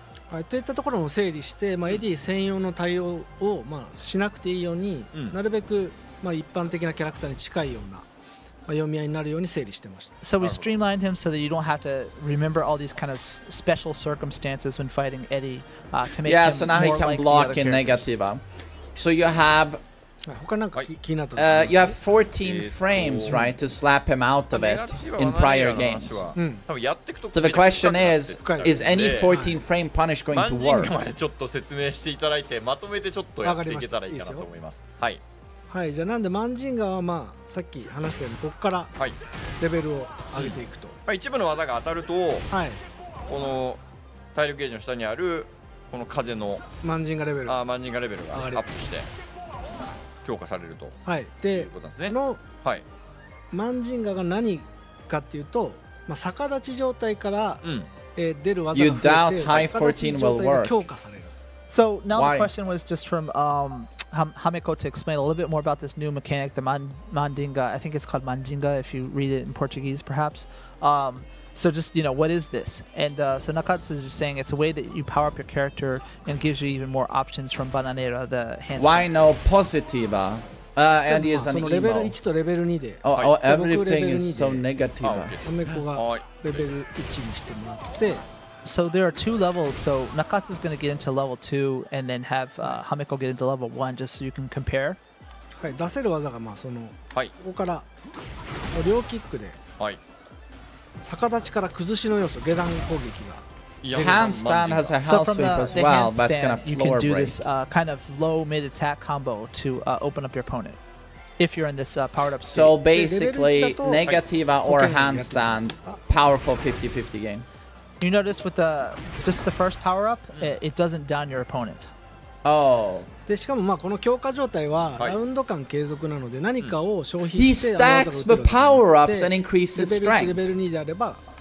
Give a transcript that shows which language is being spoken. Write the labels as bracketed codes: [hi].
[ja] はい、といったところも整理して、まあ、エディ専用の対応を、まあ、しなくていいように、なるべく、まあ、一般的なキャラクターに近いような、まあ、読み合いになるように整理してました。 [en] So we streamlined him so that you don't have to remember all these kind of special circumstances when fighting Eddie, to make him so now he can block in negativa. So you have you have 14 frames, right, to slap him out of it in prior games. So the question is any 14 frame punish going to work? [ja] ちょっと説明していただいて、まとめてちょっとやっていけたらいいかなと思います。はい。はい、じゃあなんでマンジンガはまあさっき話したようにここからレベルを上げていくと。一部の技が当たると、この体力ゲージの下にあるこの風のマンジンガレベル、マンジンガレベルがアップして。強化されると、はい、でいうことですね。の、はい、マンジンガが何かっていうと、まあ、逆立ち状態から、出る技が増えて、 [en] you doubt high 14 will work. [ja] 強化される。 [en] So now the question was just from Hameko to explain a little bit more about this new mechanic, the Mandinga. I think it's called Mandinga if you read it in Portuguese, perhaps. So just, you know, what is this? And so Nakatsu is just saying it's a way that you power up your character and gives you even more options from Bananera, the hand. Why no positiva? Andy is an emo. Level 1 to level 2. Oh, everything is so negative. [ja] Hameko ga level 1 ni shite moratte. [en] So there are two levels. So Nakatsu is going to get into level 2 and then have Hameko get into level 1 just so you can compare. [ja] はい、出せる技がまあその、はい、ここから両キックで、はい、逆立ちから崩しの要素、下段攻撃が。 [en] Handstand has a hell sweep as well. That's gonna floor break. You can do this kind of low mid attack combo to open up your opponent if you're in this powered up state. So basically, negativa or handstand, powerful 50-50 game. You notice with the first power up, it doesn't down your opponent. Oh. [ja] でしかもまあこの強化状態はラウンド間継続なので何かを消費して、 [en] He stacks the power ups and increases strength. [ja] レベル1、レベル2であれば、